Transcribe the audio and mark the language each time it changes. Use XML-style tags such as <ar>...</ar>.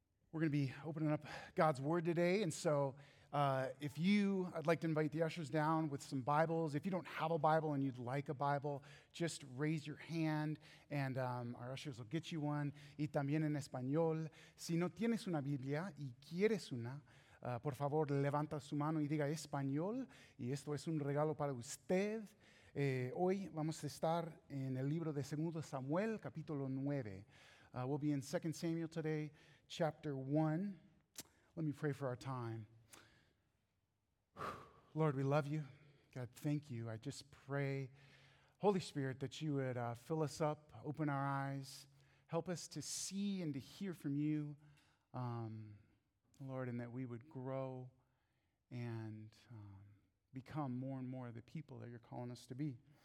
<en>We're going to be opening up God's Word today. And so I'd like to invite the ushers down with some Bibles. If you don't have a Bible and you'd like a Bible, just raise your hand and our ushers will get you one.</en> <es>Y también en español. Si no tienes una Biblia y quieres una, por favor, levanta su mano y diga español. Y esto es un regalo para usted. Hoy vamos a estar en el libro de 2 Samuel, capítulo 9.</es> <en>We'll be in 2 Samuel today, chapter 1. Let me pray for our time. Lord, we love you. God, thank you. I just pray, Holy Spirit, that you would fill us up, open our eyes, help us to see and to hear from you, Lord, and that we would grow and become more and more the people that you're calling us to be.</en>